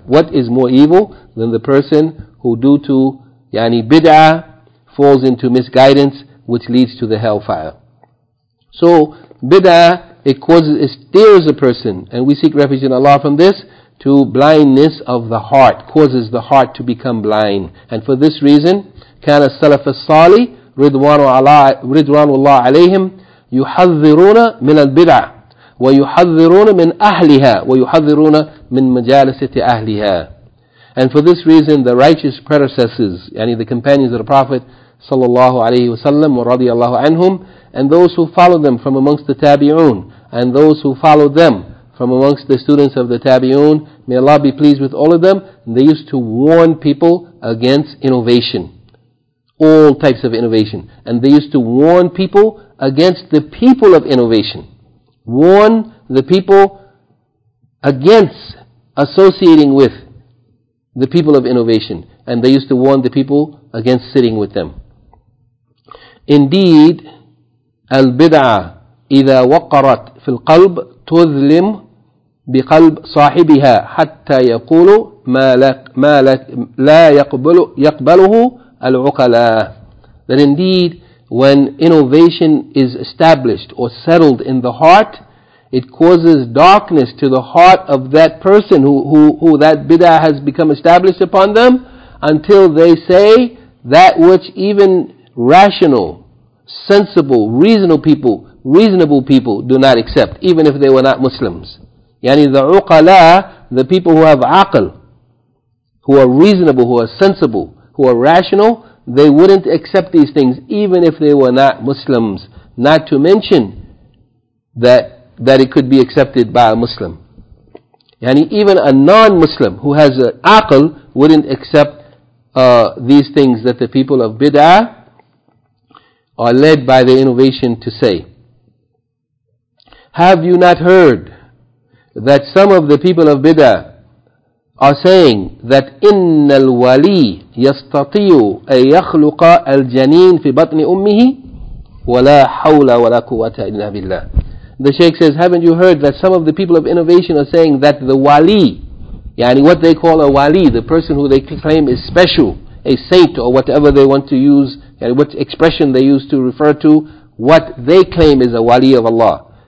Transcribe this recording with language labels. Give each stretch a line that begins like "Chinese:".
English: What is more evil than the person who due to yani bid'ah falls into misguidance, which leads to the hellfire? So bid'ah, it steers a person, and we seek refuge in Allah from this, to blindness of the heart, causes the heart to become blind. And for this reason,
Arabic: كان السلف الصالح رضوان الله عليهم يحذرون من البدع ويحذرون من أهلها ويحذرون من مجالسة أهلها.
English: And for this reason, the righteous predecessors, yani the companions of the Prophet
Arabic: صلى الله عليه وسلم ورضي الله عنهم,
English: and those who followed them from amongst the Tabi'un, and those who followed them from amongst the students of the Tabi'un, may Allah be pleased with all of them, they used to warn people against innovation, all types of innovation. And they used to warn people against the people of innovation. Warn the people against associating with the people of innovation, and they used to warn the people against sitting with them. Indeed,
Arabic: al-bid'ah إذا وقرت في القلب تظلم بقلب صاحبها حتى يقول ما لا يقبله العقلاء.
English: That indeed, when innovation is established or settled in the heart, it causes darkness to the heart of that person who that bid'ah has become established upon them, until they say that which even rational, sensible, reasonable people do not accept, even if they were not Muslims. Yani the uqala, the people who have aql, who are reasonable, who are sensible, who are rational, they wouldn't accept these things even if they were not Muslims. Not to mention that it could be accepted by a Muslim. Yani even a non-Muslim who has an aql wouldn't accept these things that the people of bid'ah are led by the innovation to say. Have you not heard that some of the people of bid'ah are saying that
Arabic: إِنَّ الْوَلِيِّ يَسْتَطِيُّ أَن يَخْلُقَ الْجَنِينَ فِي بَطْنِ أُمِّهِ وَلَا حَوْلَ وَلَا قُوَّةَ إِلَّا بِاللَّهِ.
English: The Shaykh says, haven't you heard that some of the people of innovation are saying that the wali, yani what they call a wali, the person who they claim is special, a saint or whatever they want to use, yani what expression they use to refer to what they claim is a wali of Allah.